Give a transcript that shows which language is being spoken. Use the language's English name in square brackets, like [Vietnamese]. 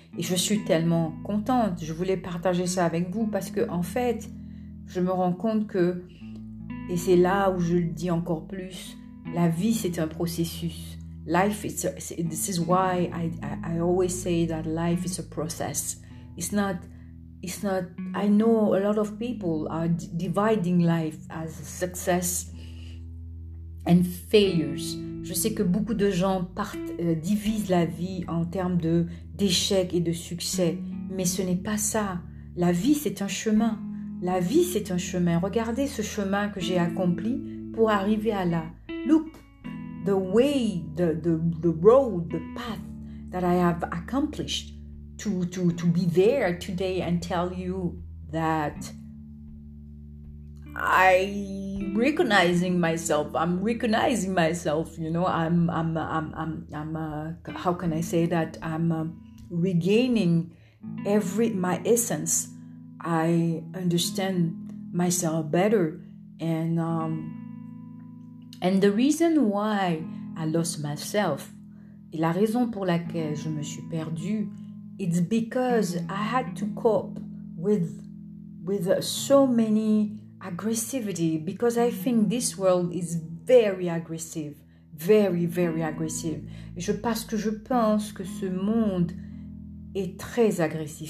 [French] Et je suis tellement contente, je voulais partager ça avec vous parce que en fait, je me rends compte que, et c'est là où je le dis encore plus, la vie c'est un processus. [English] Life is, this is why I always say that life is a process. It's not, I know a lot of people are dividing life as success and failures. [French] Je sais que beaucoup de gens divisent la vie en termes d'échecs et de succès, mais ce n'est pas ça. La vie, c'est un chemin. La vie, c'est un chemin. Regardez ce chemin que j'ai accompli pour arriver à là. [English] Look. The way, the road, the path that I have accomplished to be there today and tell you that I'm recognizing myself, you know, I'm regaining my essence. I understand myself better And the reason why I lost myself, [French] et la raison pour laquelle je me suis perdue, [English] it's because I had to cope with so many aggressivity, because I think this world is very aggressive, very, very aggressive. [French] Parce que je pense que ce monde est très agressif.